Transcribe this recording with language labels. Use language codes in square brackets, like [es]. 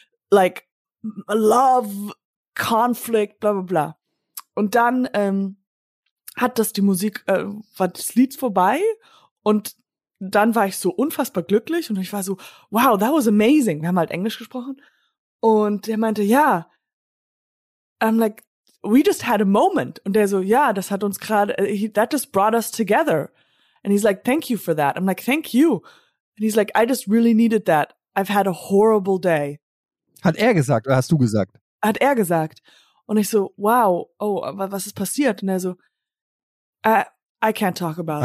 [en] like love conflict, bla bla bla. [de] Und dann hat das die Musik, war das Lied vorbei und dann war ich so unfassbar glücklich und ich war so, [en] wow, that was amazing. [de] Wir haben halt Englisch gesprochen und der meinte, ja, yeah. [en] I'm like, we just had a moment. [de] Und der so, ja, [en] yeah, [de] das hat uns gerade, [en] that just brought us together. And he's like, thank you for that. I'm like, thank you. And he's like, I just really needed that. I've had a horrible day. [de] Hat er gesagt oder hast du gesagt? Hat er gesagt. Und ich so, wow, oh, was ist passiert? Und er so, [en] I can't talk about